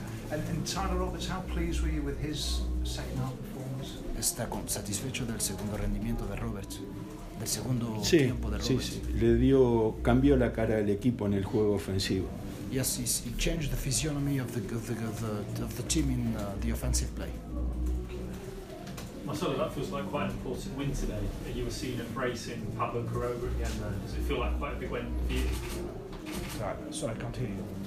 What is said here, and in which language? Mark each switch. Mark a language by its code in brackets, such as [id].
[en] And Tyler Roberts, how pleased were you with his second half performance? [es] Está satisfecho del segundo rendimiento de Roberts, del segundo tiempo de Roberts. Sí. Cambió la cara del equipo en el juego ofensivo. [en] Yes, he changed the physiognomy of the team in the offensive play. Marcelo, that feels like quite an important win today. You were seen embracing Pablo Quiroga again. Does it feel like quite a big win for you? Sorry, can't hear you.